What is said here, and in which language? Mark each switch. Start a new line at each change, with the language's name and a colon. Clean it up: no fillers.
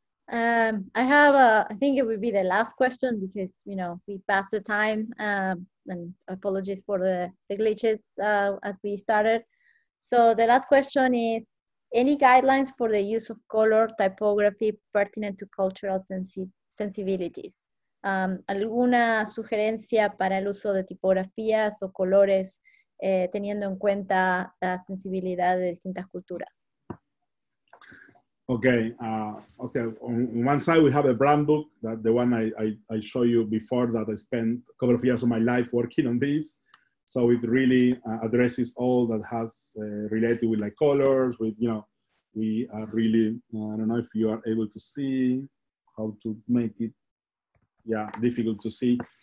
English: I have I think it would be the last question because, you know, we passed the time, and apologies for the glitches as we started. So the last question is, any guidelines for the use of color typography pertinent to cultural sensibilities?
Spanish: ¿Alguna sugerencia para el uso de tipografías o colores teniendo en cuenta la sensibilidad de distintas culturas?
English: Okay. On one side, we have a brand book, that the one I showed you before, that I spent a couple of years of my life working on this. So it really addresses all that has related with like colors, with, you know, we are really, I don't know if you are able to see how to make it, yeah, difficult to see.